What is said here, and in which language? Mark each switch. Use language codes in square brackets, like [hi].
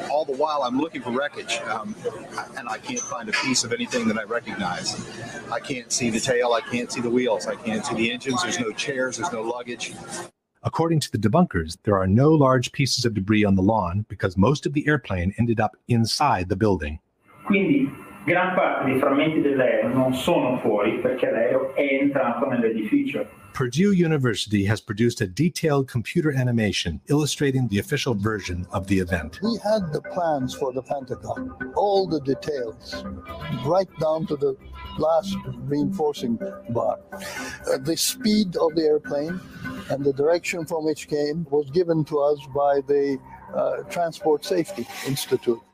[en] All the while, I'm looking for wreckage, and I can't find a piece of anything that I recognize. I can't see the tail. I can't see the wheels. I can't see the engines. There's no chairs. There's no luggage. According to the debunkers, there are no large pieces of debris on the lawn because most of the airplane ended up inside the building. [it] Quindi, gran parte dei frammenti dell'aereo non sono fuori perché l'aereo è entrato nell'edificio. [en] Purdue University has produced a detailed computer animation illustrating the official version of the event. We had the plans for the Pentagon, all the details, right down to the last reinforcing bar. The speed of the airplane and the direction from which came was given to us by the Transport Safety Institute.